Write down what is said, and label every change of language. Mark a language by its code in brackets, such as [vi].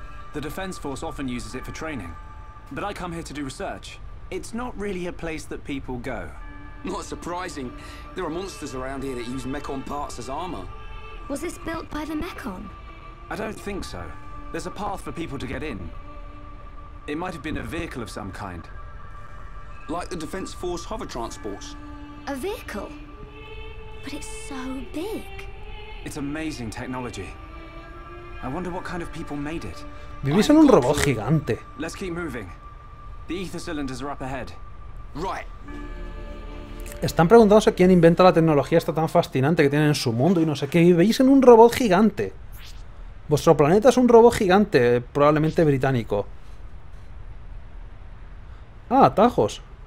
[es] La Fuerza de Defensa a menudo lo usa para entrenar. Pero he venido aquí para hacer investigación. No es realmente un lugar donde la gente va. No es sorprendente. Hay monstruos aquí que usan Mekon partes como armas. ¿Fue esto construido por el Mekon? No creo. Hay un camino para la gente para entrar. [en] It might have been a vehicle of some kind. Like the Defense Force hover transports. A vehicle? But it's so big. It's amazing technology. I wonder what kind of people made it. [es] Vivís en un robot gigante. [en] Let's keep moving. The ether cylinders are up ahead. Right. [es] Están preguntándose quién inventa la tecnología esta tan fascinante que tienen en su mundo y no sé qué. Vivís en un robot gigante. Vuestro planeta es un robot gigante, probablemente británico. Ah, atajos.